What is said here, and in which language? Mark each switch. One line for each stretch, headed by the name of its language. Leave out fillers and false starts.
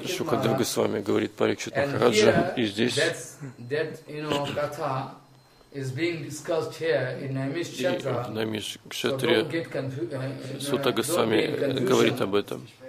Russian: И вот Сукхадев Госвами говорит Парикшит Махараджа. И здесь.
English: That Katha is being discussed here in Naimish Kshetra.
Russian: И в Наимиш Кшетре Сута Госвами говорит об этом.